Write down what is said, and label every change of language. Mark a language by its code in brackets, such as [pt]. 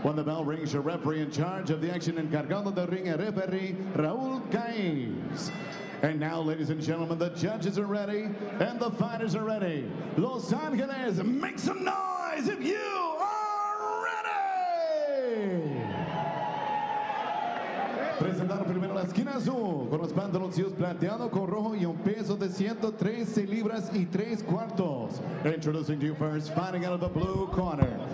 [en] When the bell rings, your referee in charge of the action, [es] encargado de ring, [en] referee Raúl Caiz. And now, ladies and gentlemen, the judges are ready and the fighters are ready. Los Angeles, make some noise if you are ready! [es] Presentado primero la esquina azul, con los pantaloncillos plateado con rojo y un peso de 113 libras y tres cuartos. [en] Introducing to you first, fighting out of the blue corner.